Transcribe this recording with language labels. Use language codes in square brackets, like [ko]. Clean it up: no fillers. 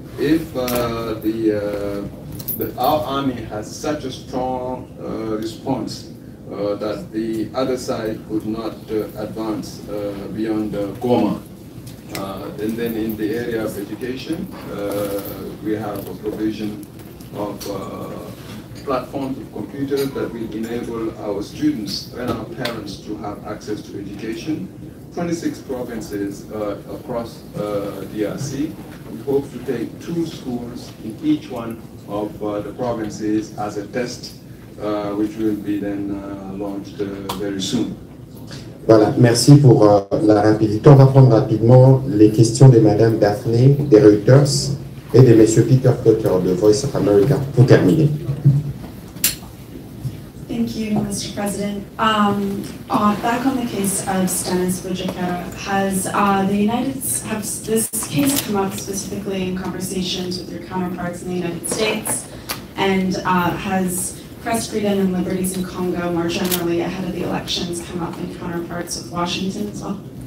[en] If our army has such a strong response that the other side could not advance beyond Goma, and then in the area of education, we have a provision of platforms of computers that will enable our students and our parents to have access to education. 26 provinces across DRC. We hope to take two schools in each one of the provinces as a test, which will be then launched very soon. [fr] Voilà, merci pour la rapidité. On va prendre rapidement les questions de Madame Daphné de Reuters et de Monsieur Peter Cotter de Voice of America pour terminer. [en] Thank you, Mr. President. Back on the case of Stanis Bojikera, has this case come up specifically in conversations with your counterparts in the United States? And has press freedom and liberties in Congo more generally ahead of the elections come up in counterparts of Washington as well?